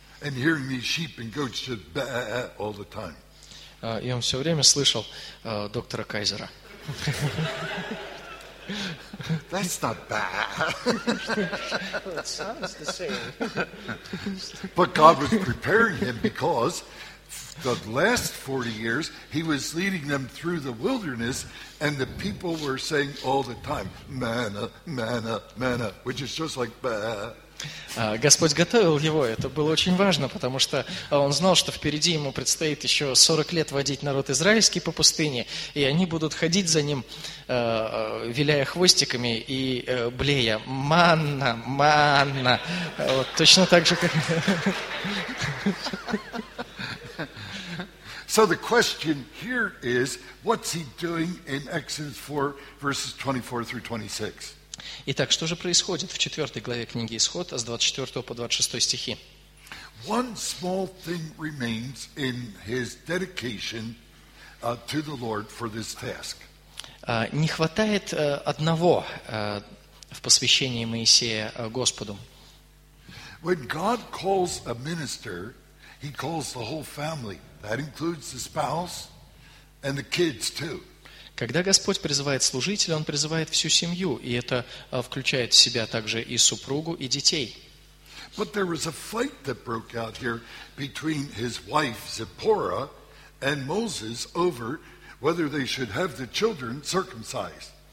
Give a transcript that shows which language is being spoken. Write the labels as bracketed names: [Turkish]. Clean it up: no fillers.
[English] And hearing these sheep and goats just baa all the time. [Russian] И он все время слышал доктора Кайзера. [English] That's not bad. Well, it sounds the same. But God was preparing him because the last 40 years he was leading them through the wilderness and the people were saying all the time, manna, manna, manna, which is just like bad. [Russian] Господь готовил его, это было очень важно, потому что он знал, что впереди ему предстоит еще 40 лет водить народ израильский по пустыне, и они будут ходить за ним, виляя хвостиками и блея. Манна, манна. Вот, точно так же, как... [English] So the question here is, what's he doing in Exodus 4, verses 24 through 26? [Russian] Итак, что же происходит в 4 главе книги Исход с 24 по 26 стихи? [English] One small thing remains in his dedication to the Lord for this task. [Russian] Не хватает одного в посвящении Моисея Господу. [English] When God calls a minister, he calls the whole family. That includes the spouse and the kids too. [Russian] Когда Господь призывает служителя, Он призывает всю семью, и это включает в себя также и супругу, и детей. [English] But there was a fight that broke out here between his wife Zipporah and Moses over whether they should have the children circumcised.